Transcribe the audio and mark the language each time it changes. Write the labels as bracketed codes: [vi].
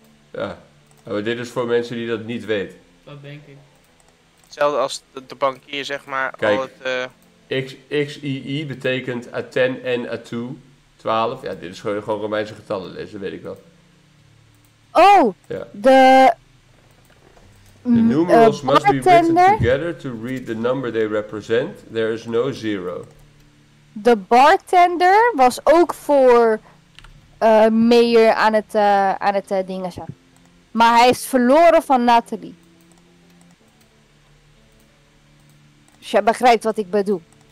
[nl] Ja, maar dit is voor mensen die dat niet weten. Dat denk ik. Hetzelfde als de bankier, zeg maar. Kijk, al het, XII betekent Aten en Atu. 12. Ja, dit is gewoon Romeinse getallen lezen, dat weet ik wel. Oh! Ja. [en] The numerals must be written together to read the number they represent. There is no zero. [nl] De bartender was ook voor. Mayor aan het dingetje. Maar hij is verloren van Natalie. Dus jij begrijpt wat ik bedoel.